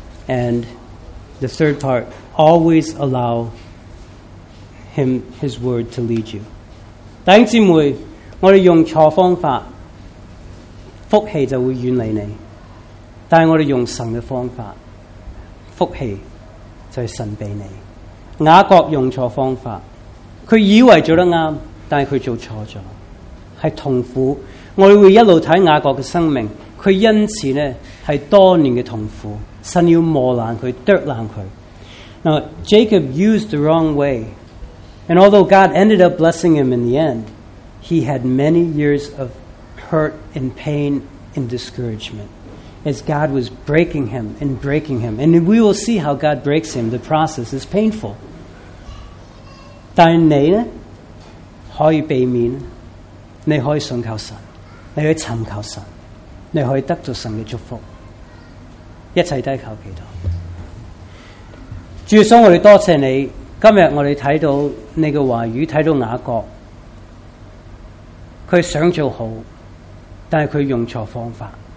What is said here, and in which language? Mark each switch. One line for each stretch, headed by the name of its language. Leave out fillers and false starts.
English: And the third part, always allow him, his word to lead you.
Chinese: 弟兄姊妹，我们用错方法，福气就会远离你。但是我们用神的方法，福气就是神给你。雅各用错方法，他以为做得啱，但是他做错了，是痛苦。我们会一路看雅各的生命，他因此呢是多年的痛苦，神要磨烂他，剁烂他。
English: Now, Jacob used the wrong way, and although God ended up blessing him in the end, he had many years of hurt and pain and discouragement as God was breaking him and breaking him. And we will see how God breaks him. The process is painful.
Chinese: 但你呢可以避免，你可以信靠神，你可以寻求神，你可以得到神的祝福。一切都靠祈祷。主耶稣，我们多谢你，今天我们看到你的话语，看到雅各，他想做好，但是他用错方法。